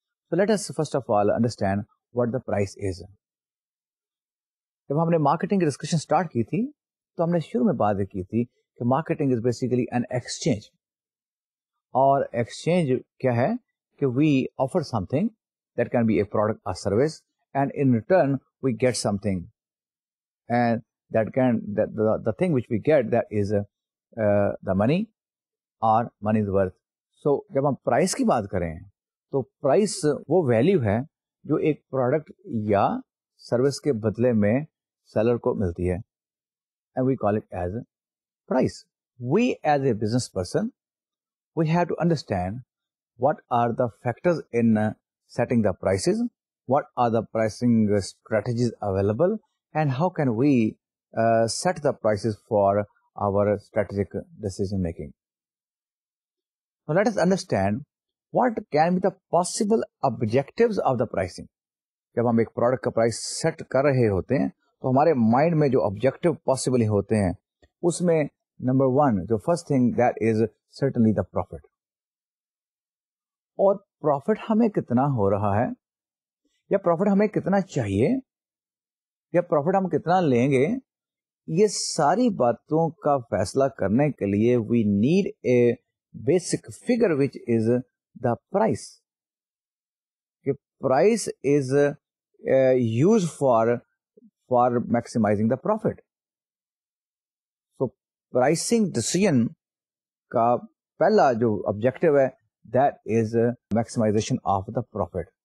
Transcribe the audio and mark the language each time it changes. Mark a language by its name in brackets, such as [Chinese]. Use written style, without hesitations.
[English] So let us first of all understand what the price is. [Urdu] جب ہم نے marketing کی ڈسکشن اسٹارٹ کی تھی تو ہم نے شروع میں بات کی تھی کہ [English] Marketing is basically an exchange, اور exchange کیا ہے کہ we offer something that can be a product or service and in return we get something and that can the thing which we get that is the money اور money is worth. [Urdu] سو جب ہم price کی بات کریں تو price وہ value ہے جو ایک پروڈکٹ یا سروس کے بدلے میں سیلر کو ملتی ہے [English] And we call it as price. We as a business person we have to understand what are the factors in setting the prices, what are the pricing strategies available and how can we set the prices for our strategic decision making. Now let us understand what can be the possible objectives of the pricing. [Urdu] جب ہم ایک product کا price set کر رہے ہوتے ہیں تو ہمارے مائنڈ میں جو آبجیکٹو پاسبل ہوتے ہیں اس میں نمبر ون جو [English] First thing that is certainly the profit. [Urdu] اور پروفٹ ہمیں کتنا ہو رہا ہے یا پروفٹ ہمیں کتنا چاہیے یا پروفٹ ہم کتنا لیں گے, یہ ساری باتوں کا فیصلہ کرنے کے لیے [English] We need a basic figure which is the price. Okay, price is used for maximizing the profit. So pricing decision ka pehla jo objective hai that is maximization of the profit.